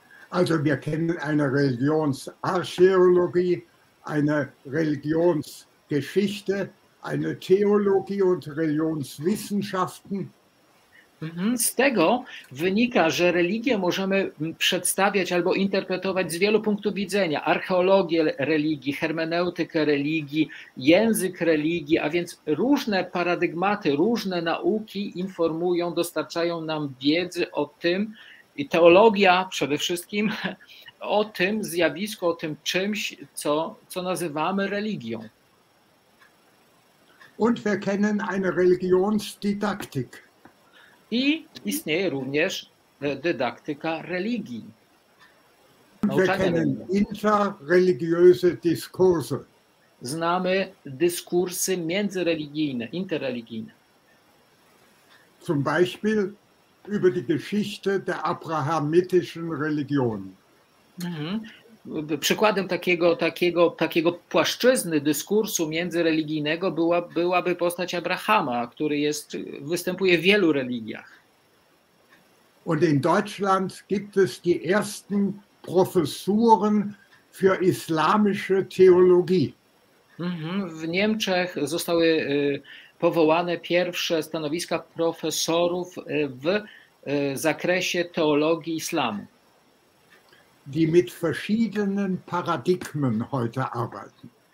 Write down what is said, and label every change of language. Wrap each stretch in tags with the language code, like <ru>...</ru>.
<de>Also wir kennen eine Religionsarchäologie, eine Religionsgeschichte, eine Theologie und Religionswissenschaften.</de> <pl>Z tego wynika, że religię możemy przedstawiać albo interpretować z wielu punktów widzenia. Archeologię religii, hermeneutykę religii, język religii, a więc różne paradygmaty, różne nauki informują, dostarczają nam wiedzy o tym, i teologia przede wszystkim o tym zjawisku, o tym czymś, co nazywamy religią.</pl> <de>Und wir kennen eine Religionsdidaktik.</de> <pl>I istnieje również dydaktyka religii.</pl> <de>Und wir kennen interreligiöse Diskurse.</de> <pl>Znamy dyskursy międzyreligijne, interreligijne.</pl> <de>Zum Beispiel über die Geschichte der abrahamitischen Religion.</de> <pl>Przykładem takiego płaszczyzny dyskursu międzyreligijnego byłaby postać Abrahama, który występuje w wielu religiach.</pl> <de>Und in Deutschland gibt es die ersten Professuren für islamische Theologie.</de> <pl>W Niemczech zostały powołane pierwsze stanowiska profesorów w zakresie teologii islamu.</pl> <de>Die mit verschiedenen Paradigmen heute arbeiten.</de>